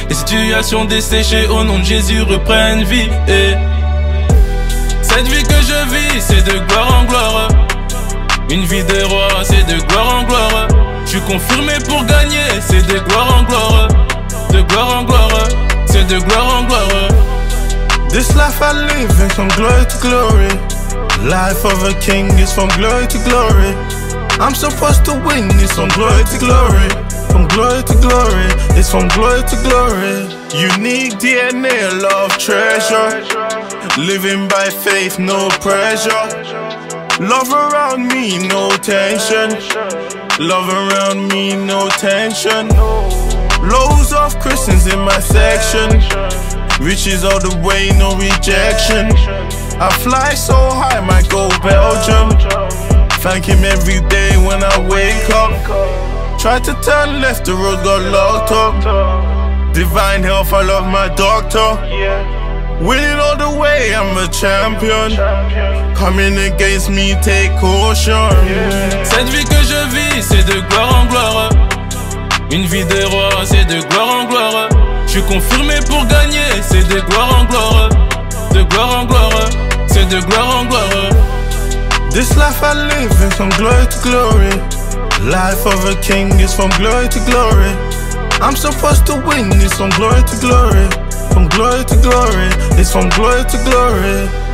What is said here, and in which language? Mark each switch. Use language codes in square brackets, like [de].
[fr] Les situations desséchées au nom de Jésus reprennent vie. Et cette vie que je vis, c'est de gloire en gloire. Une vie de roi, c'est de gloire en gloire. Je suis confirmé pour gagner, c'est de gloire en gloire. De gloire en gloire, c'est de gloire en gloire. [en] This life I live is from glory to glory. Life of a king is from glory to glory. I'm supposed to win, it's from glory to glory. From glory to glory, it's from glory to glory. Unique DNA, love, treasure. Living by faith, no pressure. Love around me, no tension. Love around me, no tension. Loads of Christians in my section. Reaches all the way, no rejection. I fly so high, might go Belgium. Thank him every day when I wake up. Try to turn left, the road got locked up. Divine health, I love my doctor. Winning all the way, I'm a champion. Coming against me, take caution. [fr] Cette vie que je vis, c'est de gloire en gloire. Une vie de roi, c'est de gloire en gloire. Je suis confirmé pour gagner, c'est de gloire en gloire. De gloire en gloire, c'est de gloire en gloire. [en] This life I live is from glory to glory. Life of a king is from glory to glory. I'm supposed to win, it's from glory to glory. From glory to glory, it's from glory to glory.